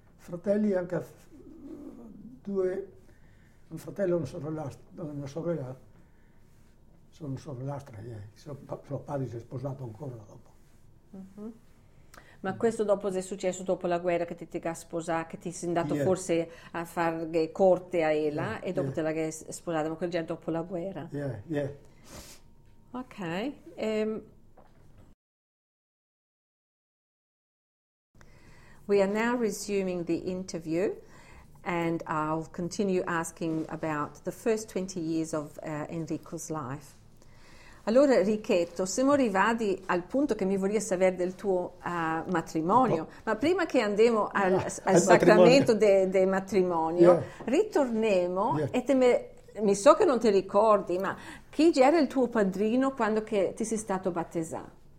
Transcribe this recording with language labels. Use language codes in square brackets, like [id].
[it] Fratelli, anche due, un fratello e una sorella, sono sorellastre, suo padre si è sposato ancora dopo. Ma questo dopo cosa è successo dopo la guerra che ti ha sposato, che ti sei andato forse a fare corte a ella e dopo te la sei sposata, ma quel già dopo la guerra. [en] Ok, we are now resuming the interview and I'll continue asking about the first 20 years of Enrico's life. [it] Allora, Enrichetto, siamo arrivati al punto che mi vorrei sapere del tuo matrimonio, ma prima che andiamo al sacramento Matrimonio. del de matrimonio, ritorniamo e mi so che non ti ricordi, ma chi era il tuo padrino quando che ti sei stato battezzato?